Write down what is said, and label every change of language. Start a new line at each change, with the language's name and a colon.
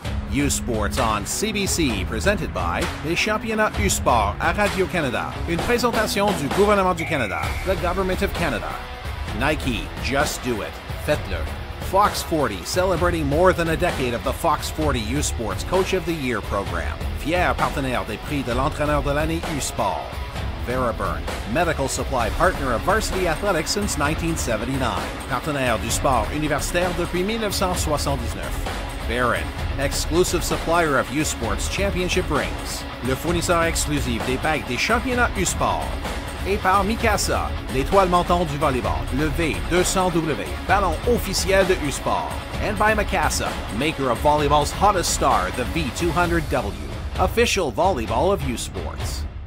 English: U Sports on CBC, presented by the
French: Championnat U Sport à Radio-Canada. Une présentation du gouvernement du Canada,
English: the Government of Canada. Nike, just do it.
French: Faites-le.
English: Fox 40, celebrating more than a decade of the Fox 40 U Sports Coach of the Year program.
French: Fier partenaire des prix de l'entraîneur de l'année U Sport.
English: Veriburn, medical supply partner of varsity athletics since 1979.
French: Partenaire du sport universitaire depuis 1979.
English: Baron, exclusive supplier of U Sports Championship rings.
French: Le fournisseur exclusif des bagues des championnats U Sport. Et par Mikasa, l'étoile montante du volleyball, le V200W, ballon officiel de U Sport.
English: And by Mikasa, maker of volleyball's hottest star, the V200W, official volleyball of U Sports.